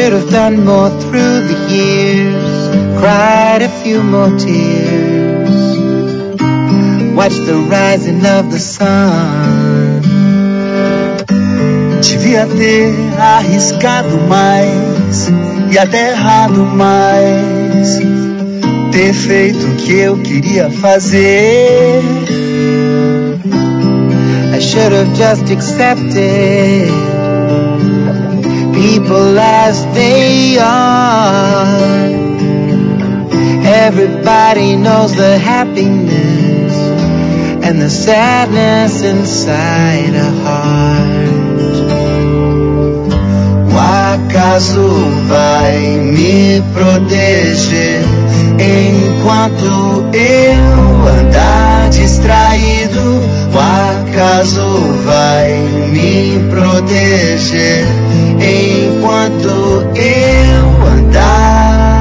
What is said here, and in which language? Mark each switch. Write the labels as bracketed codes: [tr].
[en] done more through the years, cried a few more tears, watched the rising of the sun. [pt] Tive até arriscado mais e até errado mais, ter feito o que eu queria fazer. [en] I should have just accepted people as they are. Everybody knows the happiness and the sadness inside a heart. [pt] O acaso vai me proteger enquanto eu andar distraído? O acaso vai me proteger enquanto eu andar?